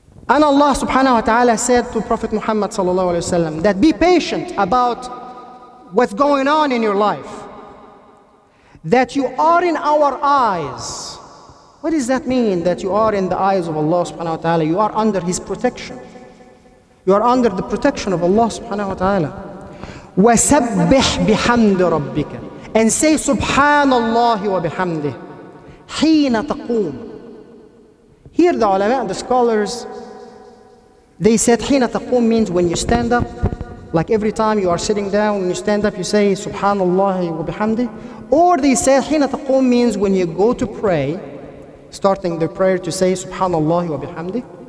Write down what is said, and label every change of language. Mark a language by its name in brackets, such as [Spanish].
[English] And Allah subhanahu wa ta'ala said to Prophet Muhammad sallallahu alayhi wa sallam that be patient about what's going on in your life. That you are in our eyes. What does that mean, that you are in the eyes of Allah subhanahu wa ta'ala? You are under His protection. You are under the protection of Allah subhanahu wa ta'ala. [Arabic] وَسَبِّحْ بِحَمْدِ رَبِّكَ, [English] and say [Arabic] سُبْحَانَ اللَّهِ وَبِحَمْدِهِ حِينَ تَقُومُ. [English] Here the ulama, the scholars, they said [Arabic] حِينَ تَقُومُ [English] means when you stand up, like every time you are sitting down, when you stand up you say [Arabic] سُبْحَانَ اللَّهِ وَبِحَمْدِهِ. [English] Or they said [Arabic] حِينَ تَقُومُ [English] means when you go to pray, starting the prayer to say [Arabic] سُبْحَانَ اللَّهِ وَبِحَمْدِهِ.